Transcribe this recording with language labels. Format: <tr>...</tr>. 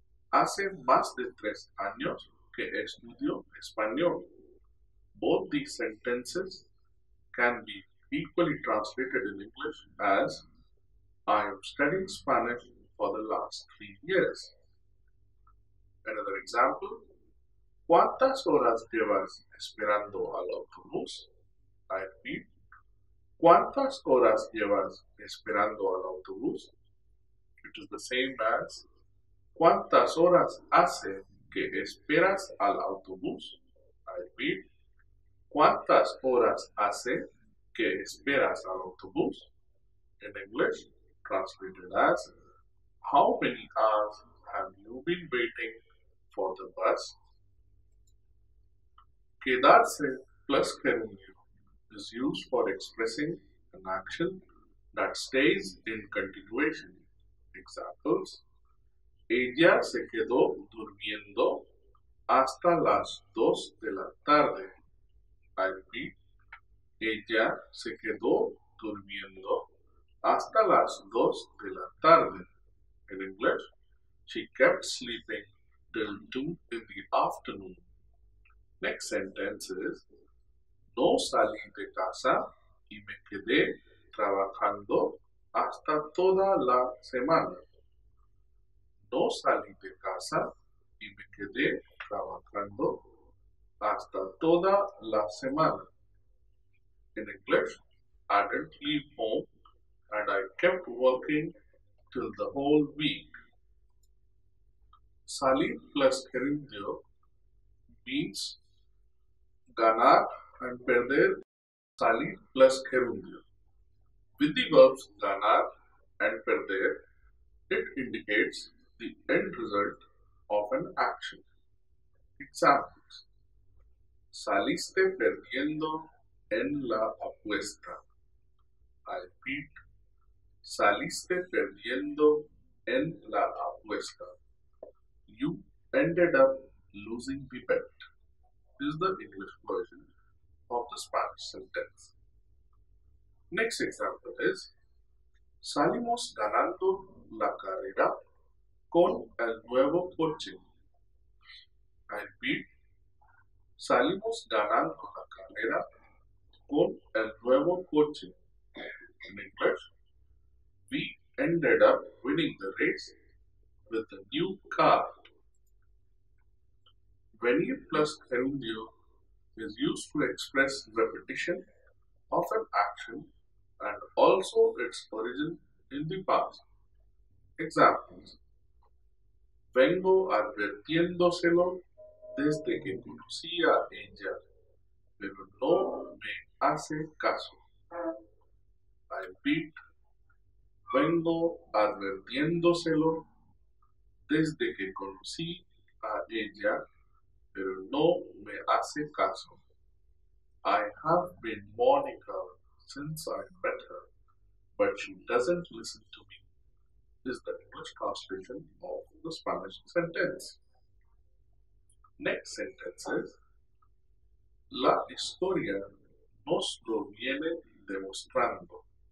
<es>Hace más de 3 años que estudio español.</es> <en>Both these sentences can be equally translated in English as I am studying Spanish for the last 3 years. Another example,</en> <es>¿cuántas horas llevas esperando al autobús?</es> <en>I repeat,</en> <es>¿cuántas horas llevas esperando al autobús?</es> <en>Which is the same as</en> <es>¿cuántas horas hace que esperas al autobús? I repeat, ¿cuántas horas hace que esperas al autobús?</es> <en>In English, translated as, how many hours have you been waiting for the bus? Quedarse plus continue is used for expressing an action that stays in continuation. Examples,</en> <es>ella se quedó durmiendo hasta las 2 de la tarde.</es> <en>I repeat,</en> <es>ella se quedó durmiendo hasta las 2 de la tarde.</es> <en>In English, she kept sleeping till 2 in the afternoon. Next sentence is,</en> <es>no salí de casa y me quedé trabajando hasta toda la semana. No salí de casa y me quedé trabajando hasta toda la semana.</es> <en>In English, I didn't leave home and I kept working till the whole week. Salir plus gerundio means ganar and perder. Salir plus gerundio. With the verbs ganar and perder, it indicates the end result of an action. Example.</en> <es>Saliste perdiendo en la apuesta.</es> <en>I repeat,</en> <es>saliste perdiendo en la apuesta.</es> <en>You ended up losing the bet. This is the English version of the Spanish sentence. Next example is,</en> <es>salimos ganando la carrera con el nuevo coche.</es> <en>I repeat,</en> <es>salimos ganando la carrera con el nuevo coche.</es> <en>In English, we ended up winning the race with the new car. Venir plus gerundio is used to express repetition of an action and also its origin in the past. Examples,</en> <es>vengo advirtiéndoselo desde que conocí a ella, pero no me hace caso.</es> <en>I repeat,</en> <es>vengo advirtiéndoselo desde que conocí a ella, pero no me hace caso.</es> <en>I have been warning her since I met her, but she doesn't listen to me. This is the English translation of the Spanish sentence. Next sentence is,</en> <es>la historia nos lo viene demostrando.</es>